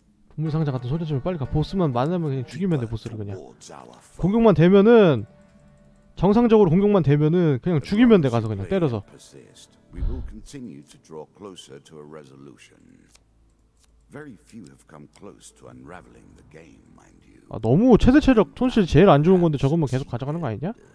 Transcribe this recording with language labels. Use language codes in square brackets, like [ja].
[ko] 보물 상자 같은 소재점을 빨리 가. 보스만 만나면 그냥 죽이면 돼. 보스를 그냥 공격만 되면은 정상적으로 공격만 되면은 그냥 죽이면 돼. 가서 그냥 때려서. [en] We will continue to draw closer to a resolution. Very few have come close to unraveling the game, mind you. [ko] 아 너무 최대 체력 손실 제일 안 좋은 건데 저것만 계속 가져가는 거 아니냐?